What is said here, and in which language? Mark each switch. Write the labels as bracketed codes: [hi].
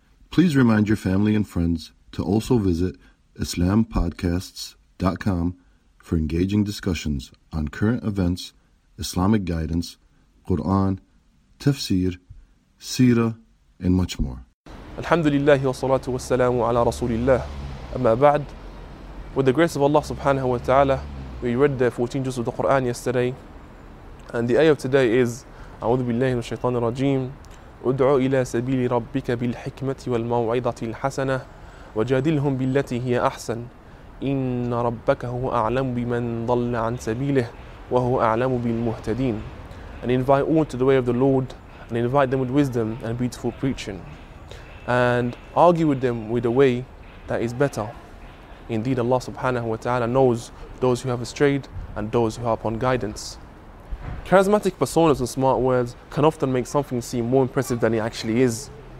[en] Please remind your family and friends to also visit IslamPodcasts.com for engaging discussions on current events, Islamic guidance, Quran, tafsir, seerah, and much more. [ar] الحمد لله والصلاة والسلام على رسول الله أما بعد. [en] With the grace of Allah subhanahu wa ta'ala, we read the 14 juz of the Quran yesterday, and the ayah of today is [ar] أعوذ بالله من الشيطان الرجيم أدع إلى سبيل ربك بالحكمة والموعظة الحسنة وجادلهم بالتي هي أحسن إن ربك هو أعلم بمن ضل عن سبيله وهو أعلم بالمهتدين. [en] And invite all to the way of the Lord and invite them with wisdom and beautiful preaching, and argue with them with a way that is better. Indeed, Allah subhanahu wa ta'ala knows those who have strayed and those who are upon guidance. Charismatic personas and smart words can often make something seem more impressive than it actually is.